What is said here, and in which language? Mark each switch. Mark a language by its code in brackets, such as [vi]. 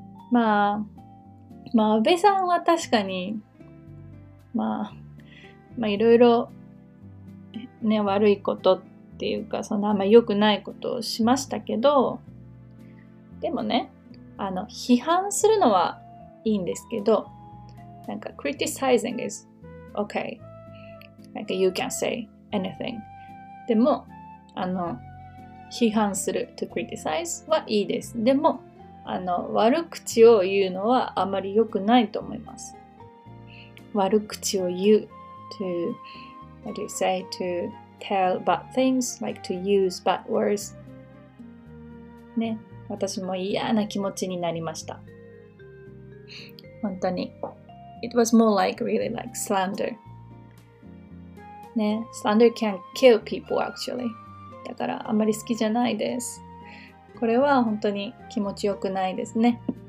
[ja] まあ、まあ安倍さんは確かにまあいろいろね、悪いことっていうか、そんなあんま良くないことをしましたけど、でもね、批判するのはいいんですけど、なんか [en] criticizing isOkay, like you can say anything. [ja] でも、批判する [en] to criticize [ja] はいいです。でも、悪口を言うのはあまり良くないと思います。悪口を言う [en] to, what do you say, to tell bad things, like to use bad words. [ja] ね、私も嫌な気持ちになりました。本当に。 [en] It was more like really like slander. ね、slander can kill people actually. [ja] だからあまり好きじゃないです。これは本当に気持ちよくないですね。